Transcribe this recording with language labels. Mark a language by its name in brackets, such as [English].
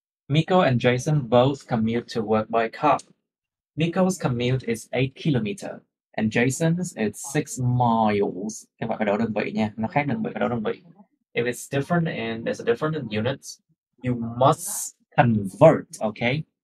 [English] Miko and Jason both commute to work by car. Miko's commute is 8 km and Jason's is 6 miles. [Vietnamese] Các bạn phải đổi đơn vị nha, nó khác đơn vị, phải đổi đơn vị. [English] If it's different and there's a difference in units, you must convert, okay?